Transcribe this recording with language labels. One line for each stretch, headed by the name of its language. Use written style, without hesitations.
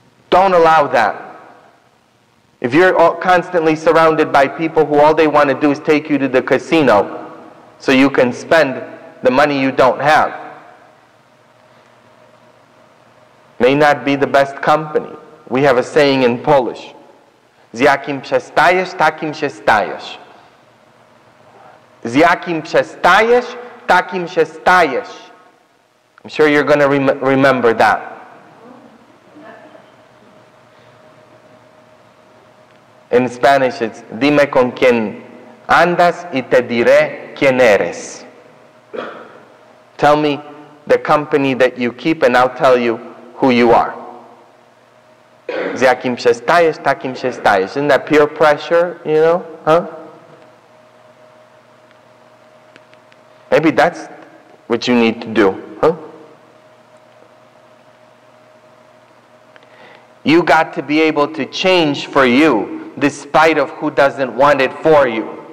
English: Don't allow that. If you're constantly surrounded by people who all they want to do is take you to the casino so you can spend the money you don't have, may not be the best company. We have a saying in Polish,
Polish: z jakim przestajesz, takim się stajesz. Z jakim przestajesz, takim się stajesz.
English: I'm sure you're going to remember that. In Spanish, it's
Spanish: dime con quién andas y te diré quién eres.
English: Tell me the company that you keep and I'll tell you who you are.
Polish: Z jakim przestajesz, takim się stajesz.
English: Isn't that peer pressure, you know? Huh? Maybe that's what you need to do. You got to be able to change for you, despite of who doesn't want it for you.